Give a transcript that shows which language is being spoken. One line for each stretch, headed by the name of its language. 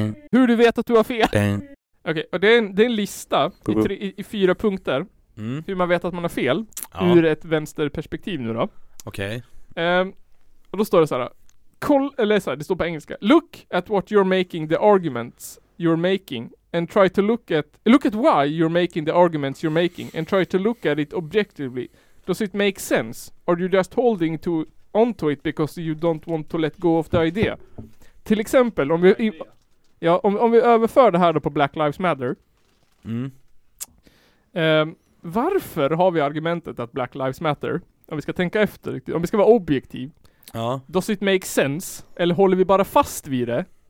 Swedish: Hur du vet att du har fel. Okej, och det är en lista i fyra punkter. Mm. Hur man vet att man har fel. Ja. Ur ett vänsterperspektiv nu då. Okej. Och då står det så här. Det står på engelska.
English: Look at what you're making the arguments you're making. And try to look at why you're making the arguments you're making. And try to look at it objectively. Does it make sense? Or are you just holding onto it because you don't want to let go of the idea?
Swedish: Till exempel, om vi överför det här då på Black Lives Matter. Mm. Varför har vi argumentet att Black Lives Matter? Om vi ska tänka efter, om vi ska vara objektiv. Ja.
English: Does it make sense?
Swedish: Eller håller vi bara fast vid det?